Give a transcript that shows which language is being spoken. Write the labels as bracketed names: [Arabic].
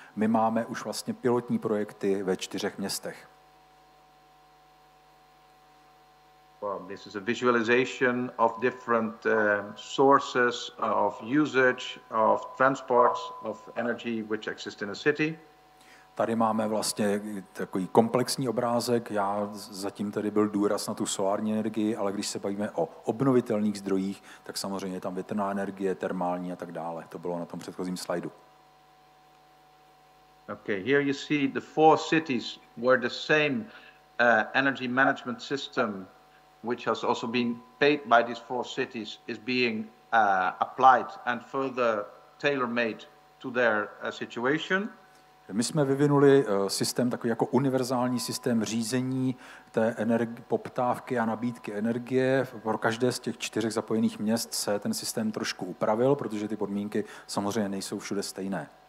[Czech] My máme už vlastně pilotní projekty ve 4 městech. [English] Well, this is a visualization of different sources of usage of transports of energy which exist in a city. [Czech] Tady máme vlastně takový komplexní obrázek. Já zatím tady byl důraz na tu solární energii, ale když se bavíme o obnovitelných zdrojích, tak samozřejmě je tam větrná energie, termální a tak dále. To bylo na tom předchozím slajdu. [English] Okay, here you see the 4 cities where the same energy management system which has also been paid by these 4 cities is being applied and further tailor-made to their situation. [Czech] My jsme vyvinuli systém takový jako univerzální systém řízení té poptávky a nabídky energie. Pro každé z těch 4 zapojených měst se ten systém trošku upravil, protože ty podmínky samozřejmě nejsou všude stejné.